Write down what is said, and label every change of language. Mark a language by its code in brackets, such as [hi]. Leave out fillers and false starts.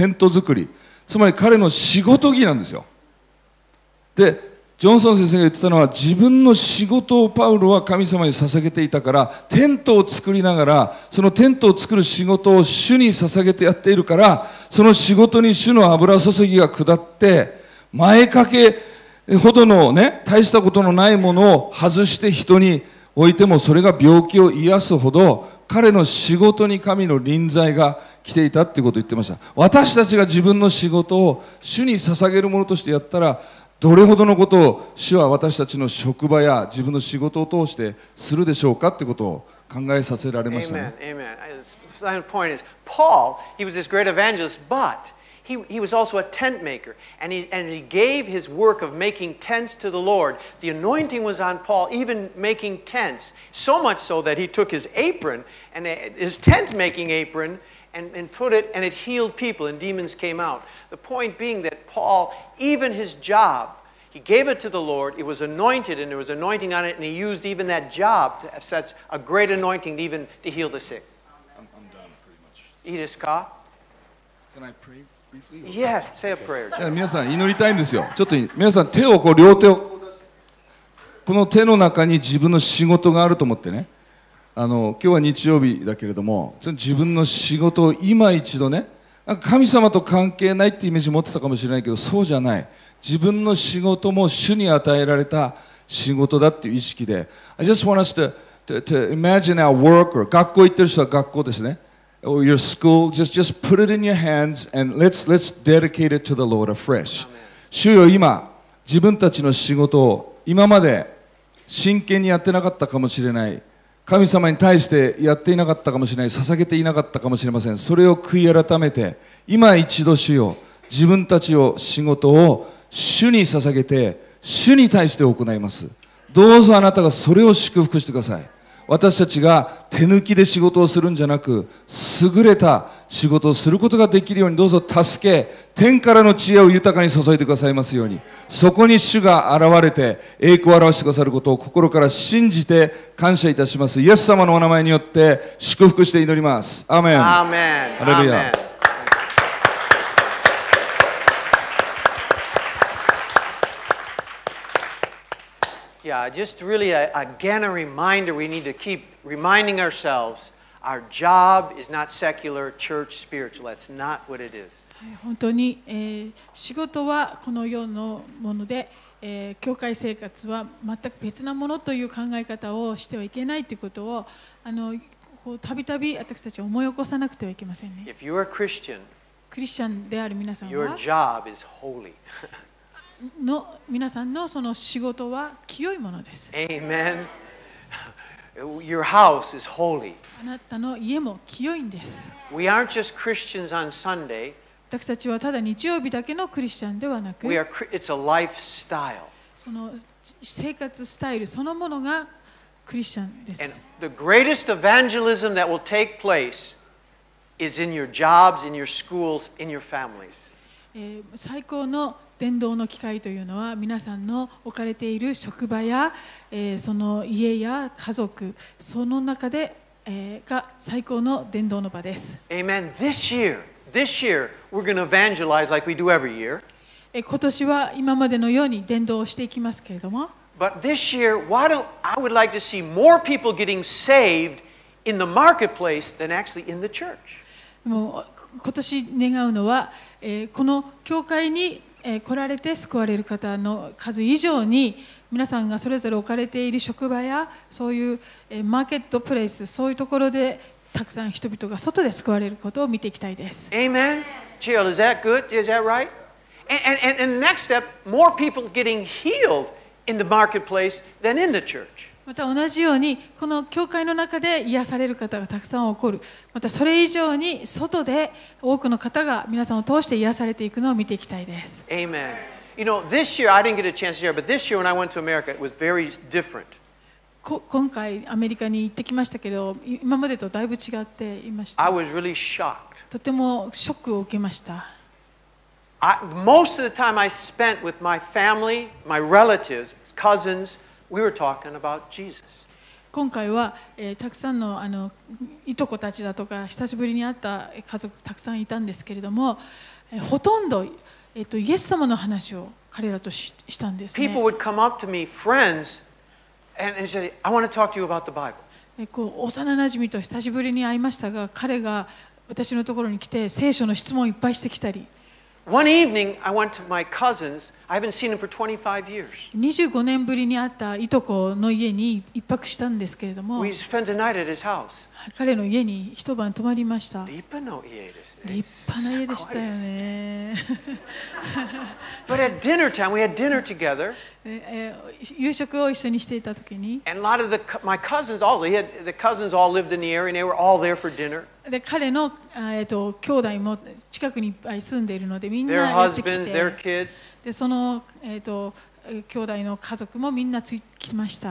[ja] テント作り、つまり彼の仕事着なんですよ。で、ジョンソン先生が言ってたのは、自分の仕事をパウロは神様に捧げていたから、テントを作りながらそのテントを作る仕事を主に捧げてやっているから、その仕事に主の油注ぎが下って、前掛けほどのね、大したことのないものを外して人に置いても、それが病気を癒すほど彼の仕事に神の臨在が来ていたっていうことを言ってました。私たちが自分の仕事を主に捧げるものとしてやったら、どれほどのことを主は私たちの職場や自分の仕事を通してするでしょうかってことを考えさせられましたね。 [en] Amen. Amen. The final point is, Paul, he was this great evangelist, but he was also a tent maker. And he gave his work of making tents to the Lord. The anointing was on Paul, even making tents. So much so that he took his apron, and his tent making apron, and put it, and it healed people, and demons came out. The point being that Paul, even his job, he gave it to the Lord, it was anointed, and there was anointing on it, and he used even that job to have such a great anointing even to heal the sick. I'm done, pretty much. [ja] いいですか? [en] Can I pray briefly? Yes, say a prayer. [ja] 皆さん、祈りたいんですよ。ちょっと皆さん、手をこう、両手を、この手の中に自分の仕事があると思ってね。今日は日曜日だけれども、自分の仕事を今一度ね、なんか神様と関係ないってイメージ持ってたかもしれないけど、そうじゃない。自分の仕事も主に与えられた仕事だっていう意識で。 [en] I just want us to imagine our worker. [ja] 学校行ってる人は学校ですね。 [en] Or your school. Just put it in your hands and let's dedicate it to the Lord afresh. [ja] 主よ、今、自分たちの仕事を今まで真剣にやってなかったかもしれない。神様に対してやっていなかったかもしれない。捧げていなかったかもしれません。それを悔い改めて、今一度主よ、自分たちを仕事を主に捧げて、主に対して行います。どうぞあなたがそれを祝福してください。私たちが手抜きで仕事をするんじゃなく、優れた仕事をすることができるようにどうぞ助け、天からの知恵を豊かに注いでくださいますように、そこに主が現れて栄光を表してくださることを心から信じて感謝いたします。イエス様のお名前によって祝福して祈ります。アーメン。アーメン。ハレルヤ。 [en] Yeah, just really again a reminder. We need to keep reminding ourselves. Our job is not secular, church, spiritual. That's not what it is. [ja] 本当に、仕事はこの世のもので、教会生活は全く別なものという考え方をしてはいけないということをこうたびたび私たちは思い起こさなくてはいけませんね。 [en] If you are a Christian, [ja] クリスチャンである皆さんは、 [en] your job is holy. [ja] の皆さんのその仕事は清いものです。 [en] Amen. Your house is holy. [ja] あなたの家も清いんです。 [en] We aren't just Christians on Sunday. [ja] 私たちはただ日曜日だけのクリスチャンではなく、 [en] it's a lifestyle. [ja] その生活スタイルそのものがクリスチャンです。 [en] And the greatest evangelism that will take place is in your jobs, in your schools, in your families. [ja] 最高の伝道の機会というのは皆さんの置かれている職場や、その家や家族その中で、が最高の伝道の場です。 [en] Amen. This year, we're going to evangelize like we do every year. [ja] 今年は今までのように伝道をしていきますけれども。 [en] But this year, why don't I would like to see more people getting saved in the marketplace than actually in the church? [ja] もう今年願うのは、この教会に来られて救われる方の数以上に皆さんがそれぞれ置かれている職場やそういうマーケットプレイスそういうところでたくさん人々が外で救われることを見ていきたいです。 [en] Amen. Chill, is that good? Is that right? And the next step, more people getting healed in the marketplace than in the church. [ja] また同じようにこの教会の中で癒される方がたくさん起こる。またそれ以上に外で多くの方が皆さんを通して癒されていくのを見ていきたいです。 [en] Amen. You know, this year I didn't get a chance to share, but this year when I went to America, it was very different. [ja] 今回アメリカに行ってきましたけど、今までとだいぶ違っていました。 [en] I was really shocked. [ja] とてもショックを受けました。 [en] Most of the time I spent with my family, my relatives, cousins,We were talking about Jesus. [ja] 今回は、たくさん のいとこたちだとか久しぶりに会った家族たくさんいたんですけれども、ほとんど、イエス様の話を彼らと したんですね。 [en] People would come up to me, friends, and say, I want to talk to you about the Bible. [ja] 幼馴染と久しぶりに会いましたが、彼が私のところに来て聖書の質問をいっぱいしてきたり。 [en] One evening, I went to my cousins. I haven't seen him for 25 years. [ja] 25年ぶりに会ったいとこの家に一泊したんですけれども、 [en] We spent the night at his house. [ja] 彼の家に一晩泊まりました。立派な家ですね。立派な家でしたよね。 [en] But at dinner time, we had dinner together. [ja] 夕食を一緒にしていた時に、 [en] And a lot of my cousins, all he had the cousins all lived in the area, and they were all there for dinner. [ja] で彼の、兄弟も近くにいっぱい住んでいるのでみんなやってきてでその、兄弟の家族もみんなつきました